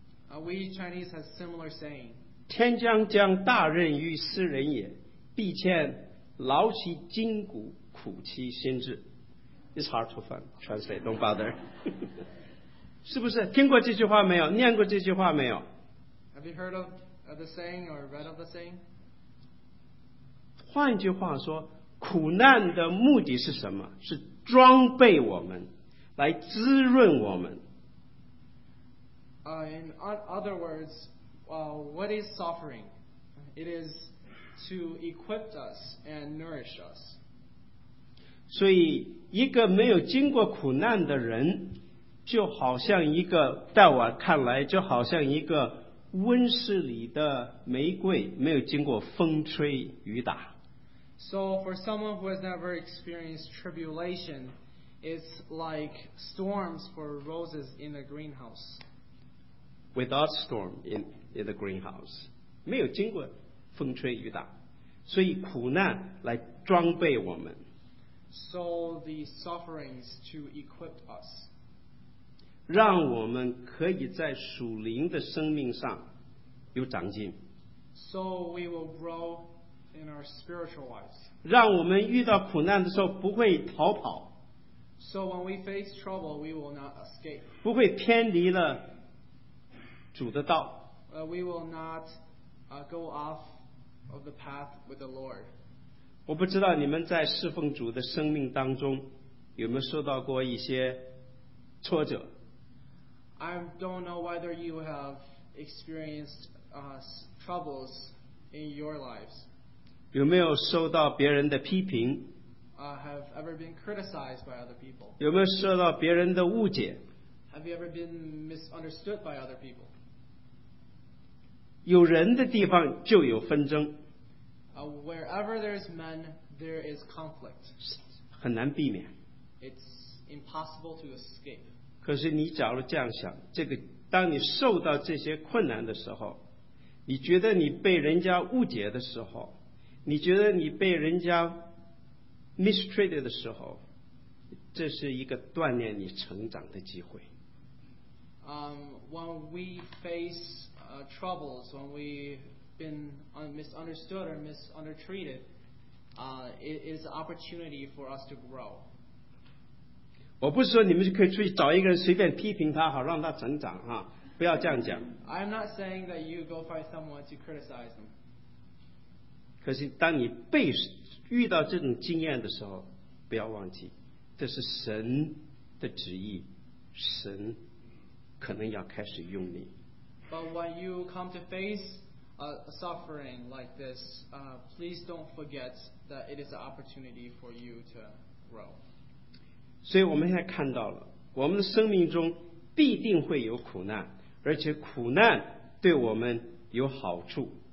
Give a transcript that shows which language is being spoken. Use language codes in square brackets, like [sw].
[en] We Chinese have similar saying. [zh] 天将降大任于斯人也，必先劳其筋骨，苦其心志。 [en] It's hard to translate. Don't bother. [zh] 是不是听过这句话没有？念过这句话没有？ [en] Have you heard of the saying or read of the saying? [zh] 换句话说，苦难的目的是什么？是装备我们，来滋润我们。 [en] In other words, what is suffering? It is to equip us and nourish us. [zh] 所以一个没有经过苦难的人，就好像一个，在我看来，就好像一个温室里的玫瑰，没有经过风吹雨打。 [en] So for someone who has never experienced tribulation, it's like storms for roses in a greenhouse. Without storm in the greenhouse, [zh] 没有经过风吹雨打，所以苦难来装备我们。 [en] So the sufferings to equip us. [zh] 让我们可以在属灵的生命上有长进。 [en] So we will grow in our spiritual lives. [zh] 让我们遇到苦难的时候不会逃跑。 [en] So when we face trouble, we will not escape. [zh] 不会偏离了主的道。 [en] We will not go off of the path with the Lord. [zh] 我不知道你们在侍奉主的生命当中有没有受到过一些挫折。 [en] I don't know whether you have experienced troubles in your lives. [zh] 有没有受到别人的批评？ [en] Have ever been criticized by other people? [zh] 有没有受到别人的误解？ [en] Have you ever been misunderstood by other people? [zh] 有人的地方就有纷争。 [en] Wherever there's men, there is conflict. [zh] 很难避免。 [en] It's impossible to escape. [zh] 可是你假如这样想，这个当你受到这些困难的时候，你觉得你被人家误解的时候，你觉得你被人家 mistreated 的时候，这是一个锻炼你成长的机会。 [en] When we face troubles, when we've been misunderstood or mistreated, it is an opportunity for us to grow. [zh] 我不是说你们可以出去找一个人随便批评他好让他成长啊，不要这样讲。 [en] I'm not saying that you go find someone to criticize them. [zh] 可是当你被遇到这种经验的时候，不要忘记，这是神的旨意，神可能要开始用你。 [en] But when you come to face a suffering like this, please don't forget that it is an opportunity for you to grow. [zh] 所以我们现在看到了，我们的生命中必定会有苦难，而且苦难对我们有好处。